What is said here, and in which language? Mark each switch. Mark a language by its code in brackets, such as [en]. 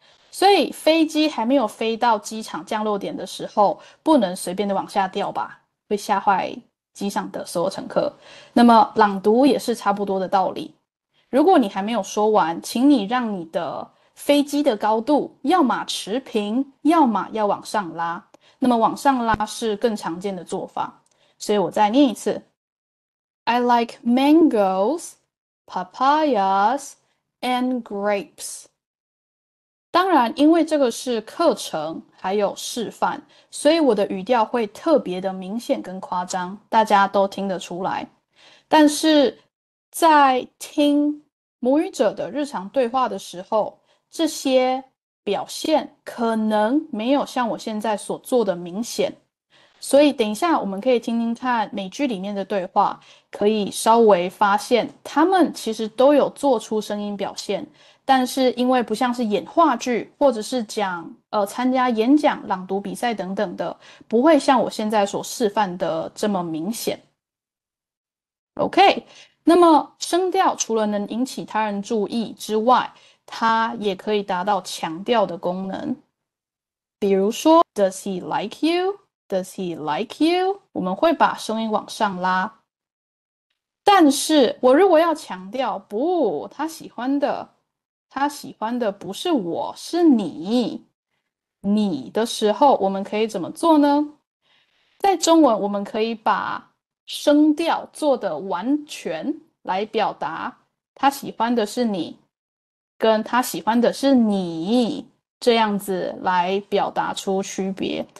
[zh] 所以飞机还没有飞到机场降落点的时候，不能随便的往下掉吧，会吓坏机上的所有乘客。那么朗读也是差不多的道理。如果你还没有说完，请你让你的飞机的高度要么持平，要么要往上拉。那么往上拉是更常见的做法。所以我再念一次： [en] I like mangoes, papayas, and grapes。 [zh] 当然，因为这个是课程，还有示范，所以我的语调会特别的明显跟夸张，大家都听得出来。但是在听母语者的日常对话的时候，这些表现可能没有像我现在所做的明显。所以等一下我们可以听听看美剧里面的对话，可以稍微发现他们其实都有做出声音表现。但是因为不像是演话剧，或者是讲参加演讲、朗读比赛等等的，不会像我现在所示范的这么明显。 OK，那么声调除了能引起他人注意之外，它也可以达到强调的功能。 [en] 比如说，Does he like you? Does he like you? [zh] 我们会把声音往上拉。但是我如果要强调，不，他喜欢的。他喜欢的不是我，是你。你的时候，我们可以怎么做呢？在中文，我们可以把声调做得完全来表达他喜欢的是你，跟他喜欢的是你这样子来表达出区别。